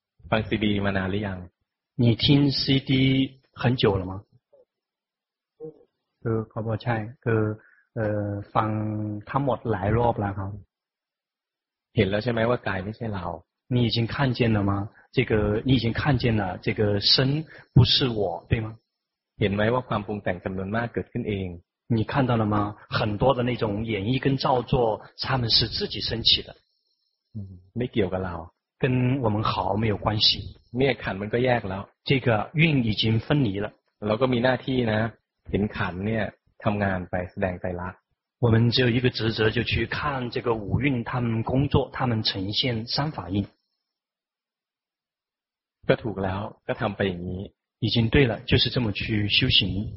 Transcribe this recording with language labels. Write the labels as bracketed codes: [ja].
[th] ฟังซีดีมานานหรือยัง [zh] 你听 CD 很久了吗 [th] คือเขาบอกใช่คือฟังทั้งหมดหลายรอบแล้วครับ เห็นแล้วใช่ไหมว่ากายไม่ใช่เรา [zh] 你已经看见了吗这个你已经看见了这个身不是我对吗 [th] เห็นไหมว่าความปรุงแต่งจำนวนมากเกิดขึ้นเอง [zh] 你看到了吗很多的那种演绎跟造作他们是自己升起的 [th] ไม่เกี่ยวกับเรา [zh] 跟我们好没有关系 [th] เนี่ยขันมันก็แยกแล้ว [zh] 这个运已经分离了 [th] เราก็มีหน้าที่นะเห็นขันเนี่ยทำงานไปแสดงไตรลักษณ์ [zh] 我们只有一个职责就去看这个五蕴他们工作他们呈现三法印 [th] ก็ถูกแล้วก็ทำไปอย่างนี้ [zh] 已经对了就是这么去修行